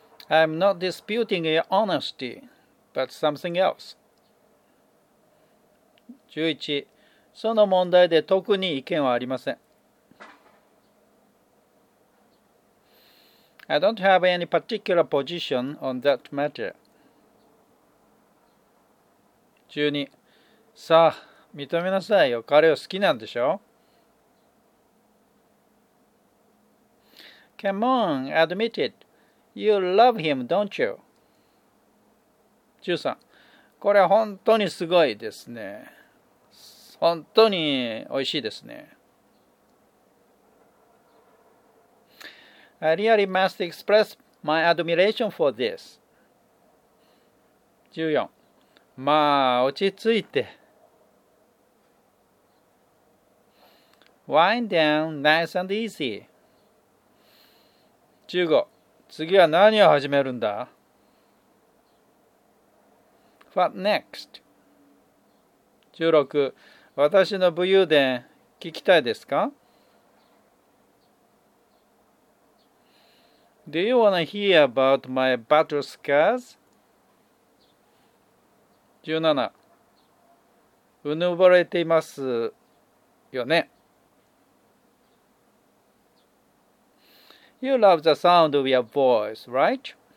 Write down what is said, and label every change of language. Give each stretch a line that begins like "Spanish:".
English: I'm not disputing your honesty, but something else. 11.
Japanese: その問題で特に意見はありません。
English: I don't have any particular position on that matter.
Japanese: 12. さあ、認めなさいよ。彼を好きなんでしょ？
English: Come on, admit it. You love him, don't you? 13.
Japanese: これは本当にすごいですね。本当に美味しいですね。
English: I really must express my admiration for this.
Japanese: 14. まあ、落ち着いて。
English: Wind down nice and easy.
Japanese: 15. 次は何を始めるんだ？
English: What next? 16.
Japanese: 私の武勇伝聞きたいですか？
English: Do you want to hear about my battle scars? 17.
Japanese: うぬぼれていますよね。
English: You love the sound of your voice, right?